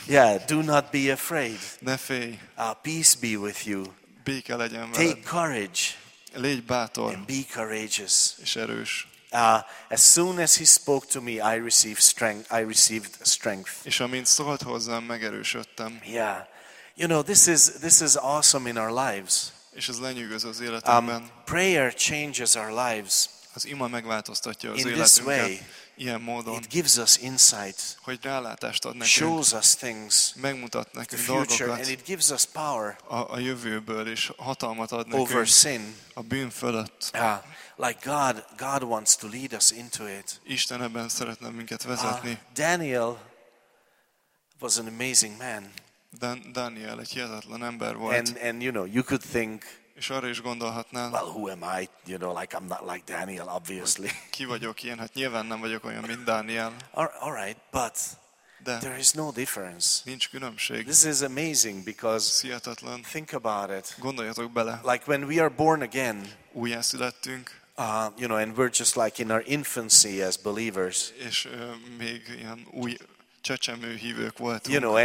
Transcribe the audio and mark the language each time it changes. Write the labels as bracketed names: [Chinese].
[English] yeah, do not be afraid, [Hungarian] ne félj, [English] peace be with you, [Hungarian] béke legyen veled, [English] take courage, [Hungarian] légy bátor, [English] and be courageous, [Hungarian] és erős. [English] As soon as he spoke to me, I received strength. [Hungarian] És amint szólt hozzám, megerősödtem. [English] Yeah, you know, this is awesome in our lives. [Hungarian] És ez lenyűgöz az életünkben. [English] Prayer changes our lives. [Hungarian] Az ima megváltoztatja az életünket. [English] In this way, [Hungarian] ilyen módon, [English] it gives us insight. [Hungarian] Hogy rálátást ad nekünk. [English] Shows us things. [Hungarian] Megmutat nekünk dolgokat. [English] And it gives us power. [Hungarian] A jövőből is hatalmat ad nekünk. [English] Over sin. [Hungarian] A bűn fölött. [English] Yeah. Like God wants to lead us into it. [Hungarian] Isten ebben szeretne minket vezetni. [English] Daniel was an amazing man. [Hungarian] Daniel egy hihetetlen ember volt. [English] And you know, you could think, [Hungarian] és arra is gondolhatnál, [English] well, who am I? You know, like I'm not like Daniel, obviously. [Hungarian] Ki vagyok én? Hát nyilván nem vagyok olyan, mint Daniel. [English] All right, but [Hungarian] de [English] there is no difference. [Hungarian] Nincs különbség. [English] This is amazing because [Hungarian] hihetetlen. [English] Think about it. [Hungarian] Gondoljatok bele. [English] Like when we are born again, [Hungarian] újjászülettünk, [English] you know, and we're just like in our infancy as believers. [Hungarian] És még ilyen új csecsemő hívők voltunk.